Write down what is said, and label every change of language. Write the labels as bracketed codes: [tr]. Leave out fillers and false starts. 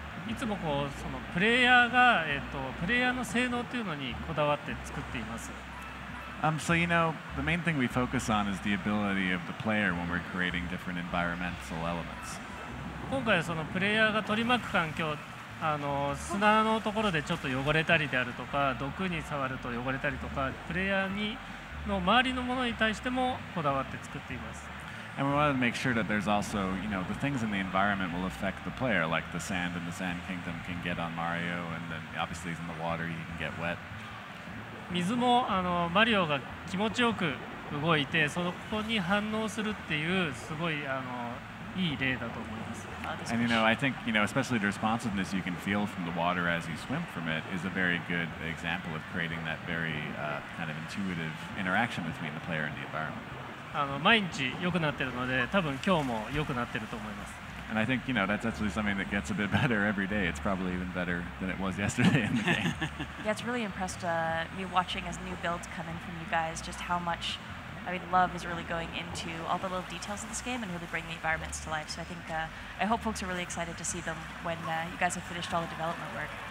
[ja] いつもこうそのプレイヤーが、プレイヤーの性能というのにこだわって作っています。 [en] So, you know, the main thing we focus on is the ability of the player when we're creating different environmental elements. [ja] 今回はそのプレイヤーが取り巻く環境、砂のところでちょっと汚れたりであるとか、毒に触ると汚れたりとか、プレイヤーにの周りのものに対してもこだわって作っています。 [en] And we want to make sure that there's also, you know, the things in the environment will affect the player, like the sand in the Sand Kingdom can get on Mario, and then obviously he's in the water, he can get wet. [ja] 水もマリオが気持ちよく動いてそこに反応するっていうすごいいい例だと思います。 [en] And you know, I think, you know, especially the responsiveness you can feel from the water as you swim from it is a very good example of creating that very kind of intuitive interaction between the player and the environment. [ja] 毎日良くなってるので多分今日も良くなってると思います。 [en] And I think, you know, that's actually something that gets a bit better every day. It's probably even better than it was yesterday in the game. Yeah, it's really impressed me watching as new builds come in from you guys, just how much, I mean, love is really going into all the little details of this game and really bringing the environments to life. So I think, I hope folks are really excited to see them when you guys have finished all the development work.